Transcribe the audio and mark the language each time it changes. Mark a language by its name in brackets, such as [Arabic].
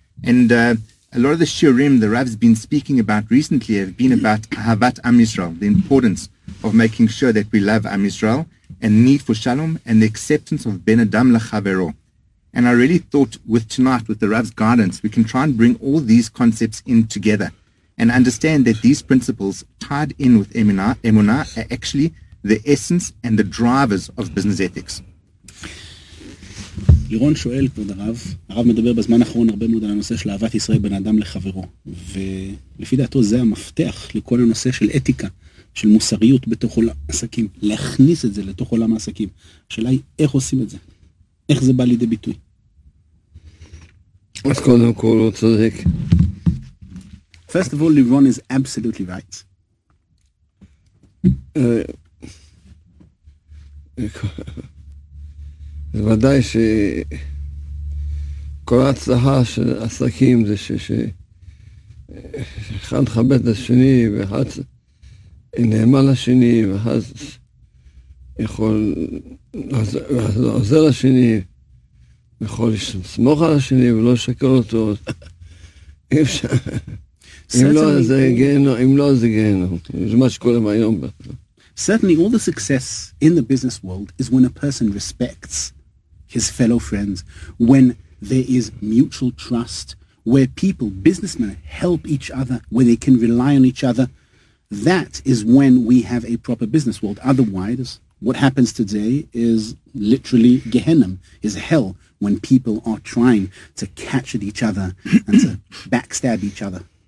[English] And a lot of the shiurim the Rav's been speaking about recently have been about Ahavat Am Yisrael, the importance of making sure that we love Am Yisrael and need for shalom and the acceptance of Ben Adam L'Chavero. And I really thought with tonight, with the Rav's guidance, we can try and bring all these concepts in together and understand that these principles tied in with Emunah are actually the essence and the drivers of business ethics. [Hebrew] לירון שואל, כבוד הרב, הרב מדבר בזמן האחרון הרבה מאוד על הנושא של אהבת ישראל בין אדם לחברו, ולפי דעתו זה המפתח לכל הנושא של אתיקה, של מוסריות בתוך עולם העסקים, להכניס את זה לתוך עולם העסקים. השאלה היא, איך עושים את זה? איך זה בא לידי ביטוי? אז קודם כל, הוא צודק. [English] First of all, לירון is absolutely right. [Hebrew] ודאי שכל ההצלחה של עסקים זה שאחד מכבד את השני ואחד נאמן לשני ואחד יכול לעזור לשני ויכול לסמוך על השני ולא לשקר אותו. אי אפשר. אם לא זה גיהנום, אם לא זה גיהנום. זה מה שקורה היום. [English] Certainly all the success in the business world is when a person respects his fellow friends, when there is mutual trust, where people, businessmen, help each other, where they can rely on each other. That is when we have a proper business world. Otherwise, what happens today is literally Gehenim, is hell, when people are trying to catch at each other and to backstab each other.